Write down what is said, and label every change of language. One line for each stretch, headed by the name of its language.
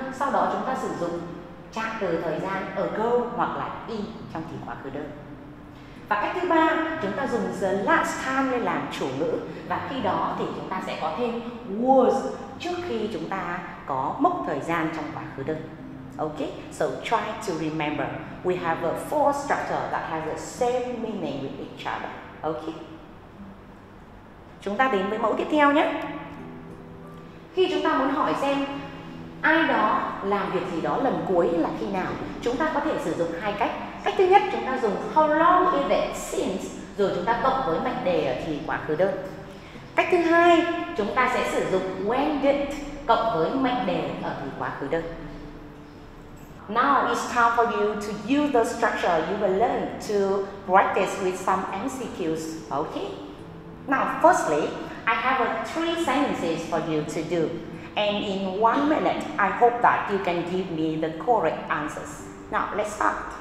Vietnamese: Sau đó chúng ta sử dụng trạng từ thời gian ago hoặc là in trong thì quá khứ đơn. Và cách thứ ba, chúng ta dùng
English: the last time
Vietnamese: lên làm chủ ngữ và khi đó thì chúng ta sẽ có thêm was trước khi chúng ta có mốc thời gian trong quá khứ đơn.
English: Ok, so try to remember. We have a four structure that has the same meaning with each other. Ok.
Vietnamese: Chúng ta đến với mẫu tiếp theo nhé. Khi chúng ta muốn hỏi xem ai đó làm việc gì đó lần cuối là khi nào, chúng ta có thể sử dụng hai cách. Cách thứ nhất, chúng ta dùng
English: how long is it since,
Vietnamese: rồi chúng ta cộng với mệnh đề ở thì quá khứ đơn. Cách thứ hai, chúng ta sẽ sử dụng
English: when did
Vietnamese: cộng với mệnh đề ở thì quá khứ đơn.
English: Now it's time for you to use the structure you will learn to practice with some MCQs, okay? Now firstly, I have three sentences for you to do. And in 1 minute, I hope that you can give me the correct answers. Now let's start.